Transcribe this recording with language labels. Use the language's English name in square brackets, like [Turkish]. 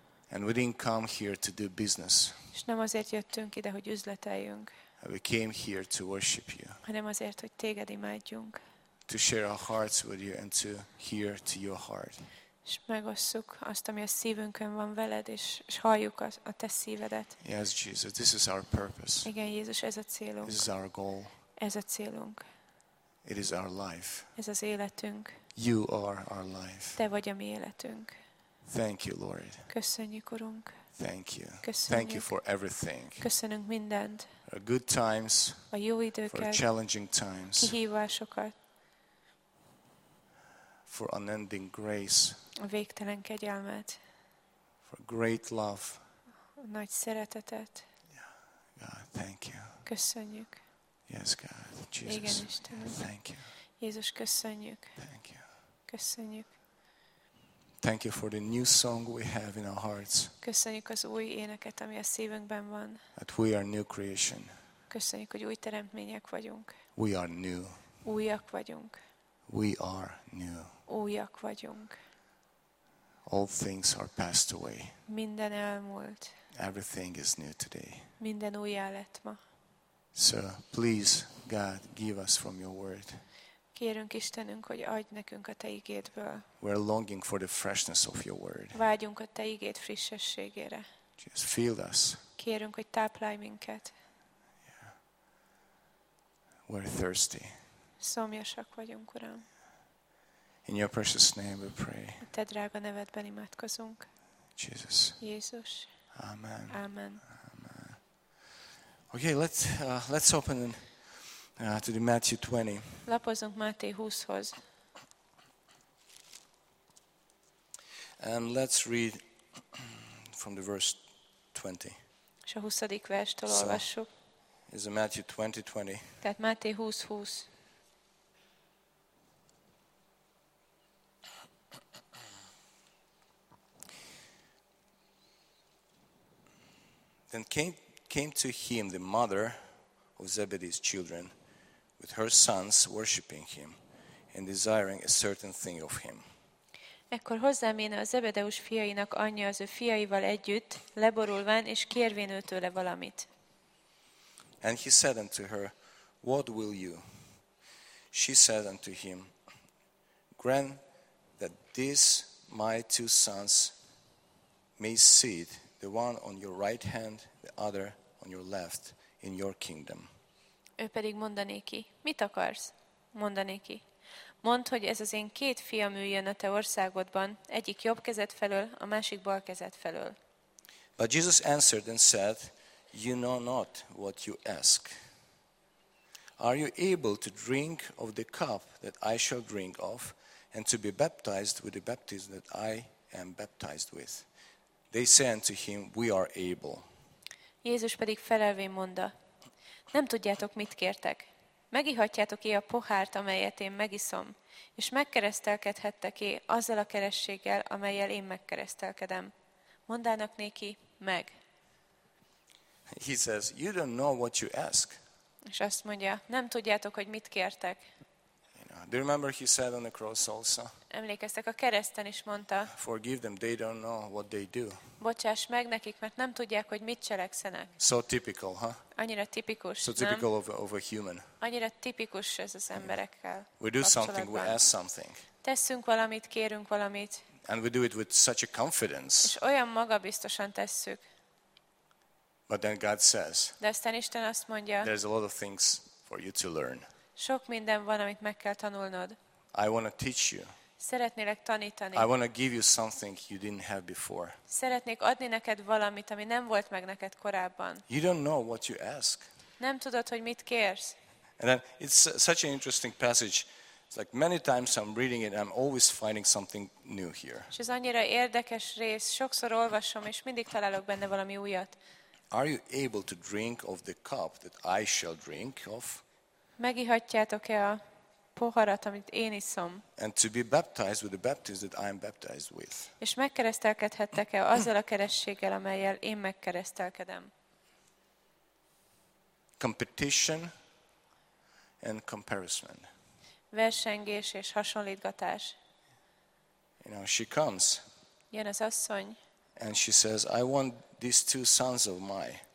[English] And we didn't come here to do business. [Hungarian] És nem azért jöttünk ide, hogy üzleteljünk. [English] We came here to worship you. [Hungarian] Hanem azért, hogy téged imádjunk. [English] To share our hearts with you and to hear to your heart. [Hungarian] És megosszuk azt, ami a szívünkön van veled, és halljuk a te szívedet. [English] Yes, Jesus, this is our purpose. [Hungarian] Igen, Jézus, ez a célunk. [English] This is our goal. [Hungarian] Ez a célunk. [English] It is our life. [Hungarian] Ez az életünk. [English] You are our life. [Hungarian] Te vagy a mi életünk. [English] Thank you, Lord. [Hungarian] Köszönjük, Urunk. [English] Thank you. [Hungarian] Köszönjük. [English] Thank you for everything. [Hungarian] Köszönünk mindent. [English] For good times. [Hungarian] A jó időket. [English] For challenging times. [Hungarian] Kihívásokat. [English] For unending grace. [Hungarian] A végtelen kegyelmet. [English] For great love. [Hungarian] Nagy szeretetet. [English] Yeah. God, thank you. [Hungarian] Köszönjük. [English] Yes, God. Jesus. [Hungarian] Igen, Istenünk. [English] Yeah, thank you. [Hungarian] Jézus, köszönjük. [English] Thank you. [Hungarian] Köszönjük. [English] Thank you for the new song we have in our hearts. [Hungarian] Köszönjük az új éneket, ami a szívünkben van. [English] That we are new creation. [Hungarian] Köszönjük, hogy új teremtmények vagyunk. [English] We are new. [Hungarian] Újak vagyunk. [English] We are new. [Hungarian] Újak vagyunk. [English] All things are passed away. [Hungarian] Minden elmúlt. [English] Everything is new today. [Hungarian] Minden újjá lett ma. [English] So please, God, give us from your word. [Hungarian] Kérünk, Istenünk, hogy adj nekünk a te igédből. [English] We're longing for the freshness of your word. [Hungarian] Vágyunk a te igéd frissességére. [English] Just fill us. [Hungarian] Kérünk, hogy táplálj minket. [English] Yeah. We're thirsty. [Hungarian] Szomjasak vagyunk, Uram. [English] In your precious name we pray. [Hungarian] A te drága nevedben imádkozunk. [English] Jesus. [Hungarian] Jézus. [English] Amen. [Hungarian] Amen. [English] Amen. Okay, let's open to the Matthew 20. [Hungarian] Lapozzunk Máté 20-hoz. [English] And let's read from the verse 20. [Hungarian] És a 20. verstől olvassuk. [English] It's a Matthew 20:20. [Hungarian] Tehát Máté 20:20. [English] Then came to him the mother of Zebedee's children with her sons worshiping him and desiring a certain thing of him. [Hungarian] Ekkor hozzáméne a Zebedeus fiainak anyja az ő fiaival együtt, leborulván és kérvén őtőle valamit. [English] And he said unto her, What will you? She said unto him, Grant that these my two sons may see it, the one on your right hand, the other on your left, in your kingdom. [Hungarian] Ő pedig mondanéki, mit akarsz? Mondanéki, Mondd, hogy ez az én két fiam üljön a te országodban, egyik jobb kezed felől, a másik bal kezed felől. [English] But Jesus answered and said, you know not what you ask. Are you able to drink of the cup that I shall drink of and to be baptized with the baptism that I am baptized with? They said to him, we are able. [Hungarian] Jézus pedig felelvén mondta, nem tudjátok, mit kértek. Megihatjátok-e a pohárt, amelyet én megiszom, és megkeresztelkedhettek-e azzal a kerességgel, amellyel én megkeresztelkedem. Mondának néki, meg. [English] He says, you don't know what you ask. [Hungarian] És azt mondja, nem tudjátok, hogy mit kértek. [English] You know, do you remember he said on the cross also? [Hungarian] Emlékeztek, a kereszten is mondta. [English] Forgive them, they don't know what they do. [Hungarian] Bocsáss meg nekik, mert nem tudják, hogy mit cselekszenek. [English] So typical, huh? [Hungarian] Annyira tipikus. [English] So typical of a human. [Hungarian] Annyira tipikus ez az emberekkel. [English] We do something, we ask something. [Hungarian] Tesszünk valamit, kérünk valamit. [English] And we do it with such a confidence. [Hungarian] És olyan magabiztosan tesszük. [English] But then God says, [Hungarian] de aztán Isten azt mondja, [English] there's a lot of things for you to learn. [Hungarian] Sok minden van, amit meg kell tanulnod. [English] I want to teach you. [Hungarian] Szeretnélek tanítani. [English] I want to give you something you didn't have before. [Hungarian] Szeretnék adni neked valamit, ami nem volt meg neked korábban. [English] You don't know what you ask. [Hungarian] Nem tudod, hogy mit kérsz. [English] And then it's such an interesting passage. It's like many times I'm reading it, I'm always finding something new here. [Hungarian] És ez annyira érdekes rész. Sokszor olvasom, és mindig találok benne valami újat. [English] Are you able to drink of the cup that I shall drink of? [Hungarian] Megihatjátok-e a poharat, amit én iszom? [English] And to be baptized with the baptism that I am baptized with. [Hungarian] És megkeresztelkedhettek-e azzal a kerességgel, amellyel én megkeresztelkedem? [English] Competition and comparison. [Hungarian] Versengés és hasonlítgatás. [English] You know, she comes. [Hungarian] Jön az asszony. [English] And she says, I want these two sons of mine.